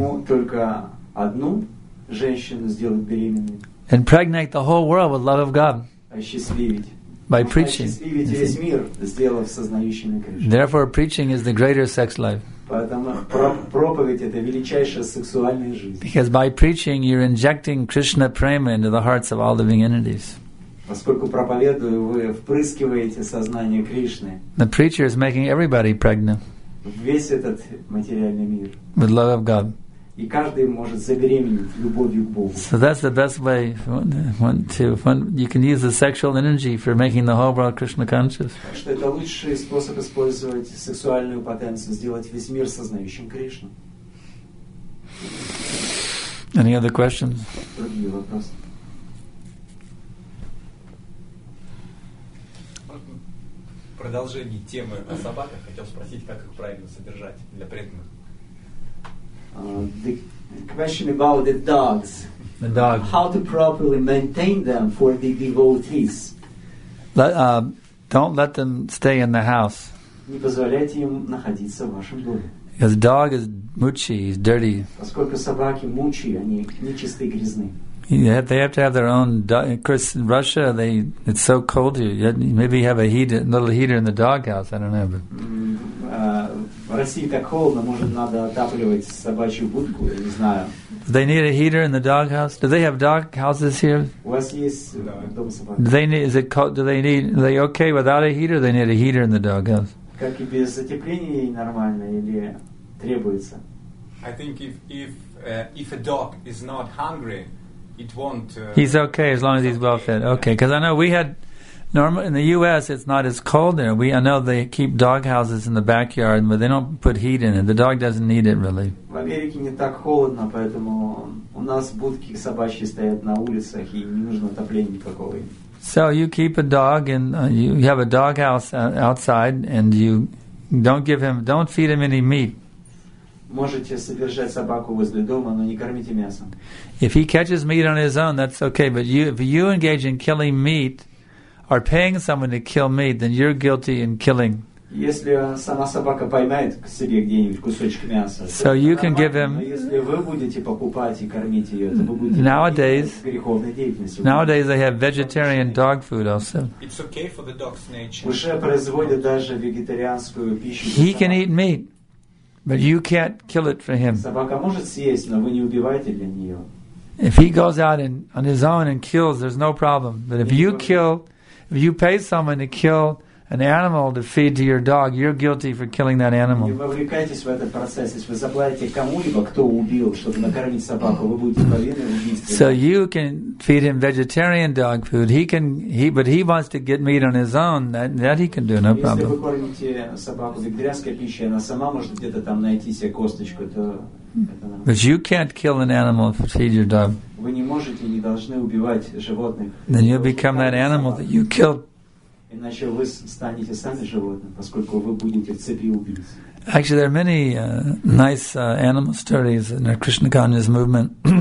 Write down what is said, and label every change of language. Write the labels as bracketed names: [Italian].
[Russian] Почему только одну женщину сделать беременной? [English] Impregnate the whole world with love of God. [Russian] Осчастливить. [English] By preaching. [Russian] Осчастливить весь мир, сделав сознающими Кришну. [English] Therefore, preaching is the greater sex life. [Russian] Поэтому проповедь — это величайшая сексуальная жизнь. [English] Because by preaching, you're injecting Krishna prema into the hearts of all living entities. [Russian] Поскольку проповедую, вы впрыскиваете сознание Кришны. [English] The preacher is making everybody pregnant. [Russian] Весь этот материальный мир. [English] With love of God. [Russian] И каждый может забеременеть любовью к Богу. [English] So that's the best way. You can use the sexual energy for making the whole world Krishna conscious. [Russian] Что это лучший способ использовать сексуальную потенцию, сделать весь мир сознающим Кришну. [English] Any other questions? [Russian] Другие вопросы. В продолжении темы о собаках хотел спросить, как их правильно содержать для преданных. [English] The question about the dogs. The dogs. How to properly maintain them for the devotees? Don't let them stay in the house. [Russian] Не позволяйте им находиться в вашем доме. [English] Because dog is muchi, he's dirty. [Russian] Поскольку собаки мучи, они нечистые, грязные. [English] They have to have their own dog. Of course, in Russia, it's so cold here. Maybe you have a little heater in the doghouse. I don't know. But... [Russian] В России так холодно, может, надо отапливать собачью будку, я не знаю. [English] They need a heater in the doghouse? Do they have dog houses here? [Russian] У вас есть дом собак? [English] Are they okay without a heater? Or they need a heater in the doghouse? [Russian] Как и без отепления нормально или требуется? [English] I think if a dog is not hungry, it won't. He's okay as long as he's well fed. Okay, because I know we had normal in the U.S. It's not as cold there. I know they keep dog houses in the backyard, but they don't put heat in it. The dog doesn't need it really. [Russian] В Америке не так холодно, поэтому у нас будки собачьи стоят на улицах, и не нужно отопления никакого. [English] So you keep a dog, and you have a dog house outside, and you don't feed him any meat. [Russian] Можете содержать собаку возле дома, но не кормите мясом. [English] If he catches meat on his own, that's okay. But if you engage in killing meat, or paying someone to kill meat, then you're guilty in killing. [Russian] Если сама собака поймает к себе где-нибудь кусочек мяса, [English] so you can give him. [Russian] Если вы будете покупать и кормить ее, то вы будете греховной деятельностью. [English] Nowadays they have vegetarian dog food also. It's okay for the dog's nature. [Russian] Уже производят даже вегетарианскую пищу. [English] He can eat meat. But you can't kill it for him. [Russian] Собака может съесть, но вы не убиваете для нее. [English] If he goes out on his own and kills, there's no problem. But if you kill, if you pay someone to kill an animal to feed to your dog, you're guilty for killing that animal. [Russian] Не вовлекайтесь в этот процесс. Если вы заплатите кому-либо, кто убил, чтобы накормить собаку, вы будете повинны в убийстве. [English] So you can feed him vegetarian dog food. But he wants to get meat on his own. That he can do, no problem. [Russian] Если вы кормите собаку вегетарианской пищей, она сама может где-то там найти себе косточку, то [English] But you can't kill an animal to feed your dog. [Russian] Вы не можете и не должны убивать животных. [English] Then you'll become that animal that you killed. [Russian] Иначе вы станете сами животным, поскольку вы будете в цепи убийц. [English] Actually, there are many nice animal stories in our Krishna consciousness movement.